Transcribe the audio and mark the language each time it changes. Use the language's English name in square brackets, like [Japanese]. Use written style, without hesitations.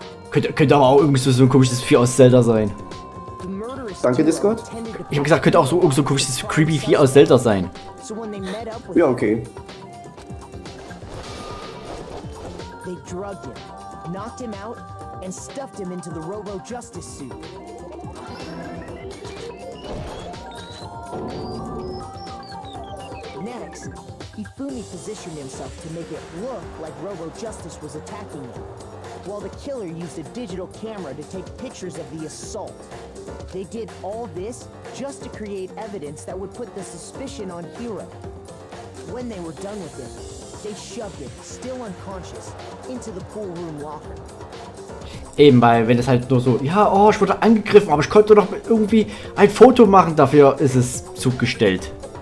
[German] Könnte aber auch irgendwie so ein komisches Vieh aus Zelda sein. Danke, Discord. Ich hab gesagt, könnte auch so ein komisches creepy Vieh aus Zelda sein. Ja, okay. [English] They drugged him, knocked him out, and stuffed him into the Robo Justice suit. Next, Ifumi positioned himself to make it look like Robo Justice was attacking him, while the killer used a digital camera to take pictures of the assault. They did all this just to create evidence that would put the suspicion on Hiro. When they were done with it, they shoved it, still unconscious, into the pool room locker. [German] Eben, weil wenn es halt nur so, ja, oh, ich wurde angegriffen, aber ich konnte doch irgendwie ein Foto machen, dafür ist es zugestellt.